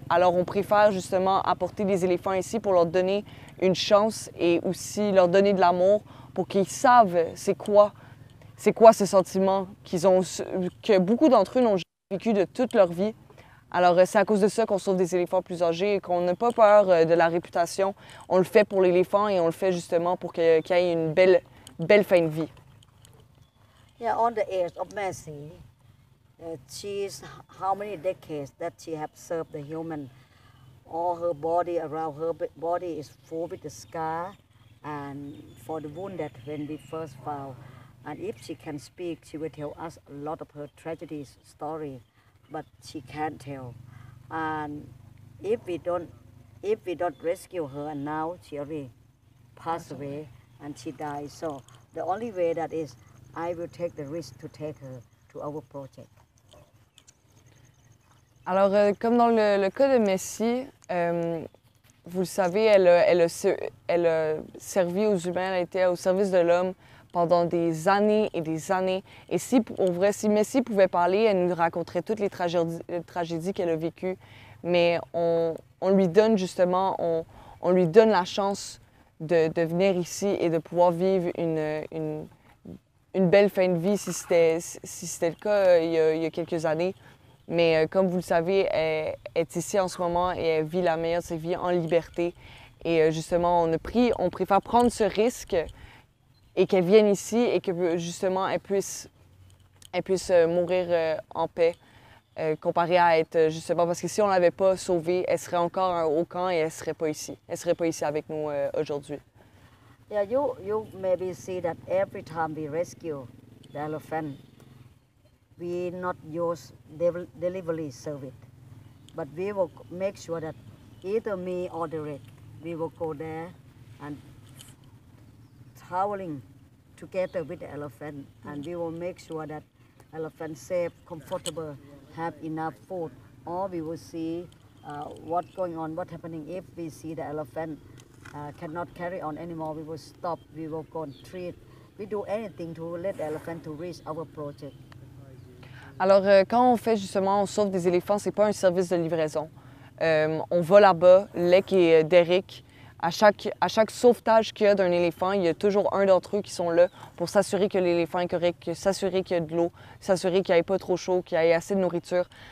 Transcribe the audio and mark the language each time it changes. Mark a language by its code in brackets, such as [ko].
[fr] Alors, on préfère, justement, apporter des éléphants ici pour leur donner une chance et aussi leur donner de l'amour pour qu'ils savent c'est quoi ce sentiment que beaucoup d'entre eux n'ont jamais vécu de toute leur vie. Alors, c'est à cause de ça qu'on sauve des éléphants plus âgés et qu'on n'a pas peur de la réputation. On le fait pour l'éléphant et on le fait justement pour qu'il ait une belle, belle fin de vie. [en] Yeah, on the age of Mercy, she's how many decades that she has served the human. All her body around her body is full with the scar and for the wound that when we first found. And if she can speak, she will tell us a lot of her tragedy story. But she can't tell. And if we don't rescue her, and now she already passed away and she died. So the only way that is, I will take the risk to take her to our project. [fr] Alors, comme dans le cas de Messi, vous le savez, elle a servi aux humains, elle était au service de l'homme pendant des années et des années. Et si, en vrai, si Messi pouvait parler, elle nous raconterait toutes les tragédies qu'elle a vécues. Mais on lui donne justement, on lui donne la chance de venir ici et de pouvoir vivre une belle fin de vie, si c'était le cas il y a quelques années. Mais comme vous le savez, elle est ici en ce moment et elle vit la meilleure de ses vies en liberté. Et justement, on préfère prendre ce risque et qu'elle vienne ici et que justement elle puisse mourir en paix, comparé à être justement, parce que si on ne l'avait pas sauvée, elle serait encore au camp et elle ne serait pas ici. Elle ne serait pas ici avec nous aujourd'hui. [en] Yeah, you maybe see that every time we rescue the elephant, we not use delivery service. But we will make sure that either me or the rest, we will go there and traveling together with the elephant, and we will make sure that elephant safe, comfortable, have enough food, or we will see what's going on, what's happening. If we see the elephant cannot carry on anymore, we will stop, we will go and treat. We do anything to let the elephant to reach our project. [fr] Alors, quand on fait justement, on sauve des éléphants, c'est pas un service de livraison. On va là-bas, Lek et Derek. À chaque sauvetage qu'il y a d'un éléphant, il y a toujours un d'entre eux qui sont là pour s'assurer que l'éléphant est correct, s'assurer qu'il y a de l'eau, s'assurer qu'il n'y ait pas trop chaud, qu'il y ait assez de nourriture.